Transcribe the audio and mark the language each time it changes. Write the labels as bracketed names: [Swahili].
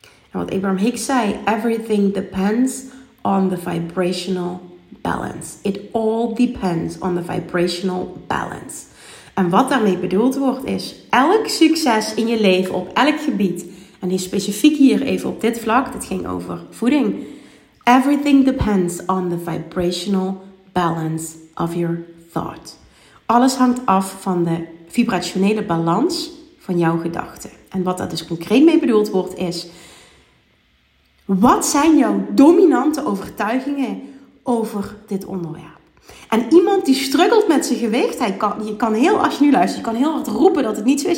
[Dutch] En wat Abraham Hicks zei, [English] everything depends on the vibrational balance. It all depends on the vibrational balance. [Dutch] En wat daarmee bedoeld wordt is, elk succes in je leven op elk gebied, en die specifiek hier even op dit vlak, dat ging over voeding. [English] Everything depends on the vibrational balance of your thought. [Dutch] Alles hangt af van de vibrationele balans van jouw gedachten. En wat daar dus concreet mee bedoeld wordt is, wat zijn jouw dominante overtuigingen over dit onderwerp? En iemand die struggelt met zijn gewicht, je kan heel hard roepen dat het niet zo is.